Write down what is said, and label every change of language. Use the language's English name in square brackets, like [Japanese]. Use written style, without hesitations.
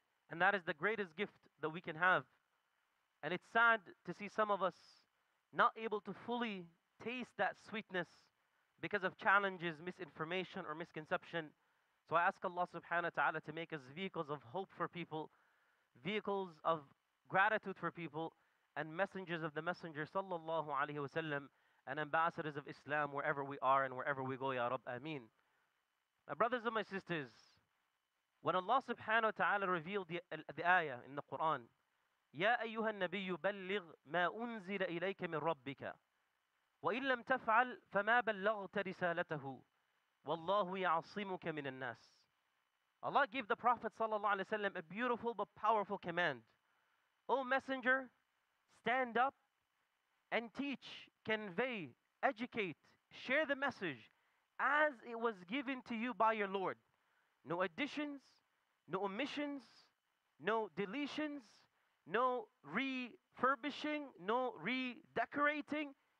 [English] And that is the greatest gift that we can have. And it's sad to see some of us not able to fully taste that sweetness because of challenges, misinformation, or misconception. So I ask Allah subhanahu wa ta'ala to make us vehicles of hope for people, vehicles of gratitude for people, and messengers of the Messenger sallallahu alayhi wa sallam, and ambassadors of Islam wherever we are and wherever we go, ya Rabb, ameen. My brothers and my sisters, when Allah subhanahu wa ta'ala revealed the ayah in the Quran, [Arabic] يَا أَيُّهَا النَّبِيُّ بَلِّغْ مَا أُنزِلَ إِلَيْكَ مِنْ رَبِّكَ وَإِنْ لَمْ تَفْعَلْ فَمَا بَلَّغْتَ رِسَالَتَهُ وَاللَّهُ يَعَصِّمُكَ مِنَ النَّاسِ. [English] Allah gave the Prophet sallallahu alayhi wa sallam a beautiful but powerful command. O Messenger, stand up and teach, convey, educate, share the message as it was given to you by your Lord. No additions, no omissions, no deletions, no refurbishing, no redecorating.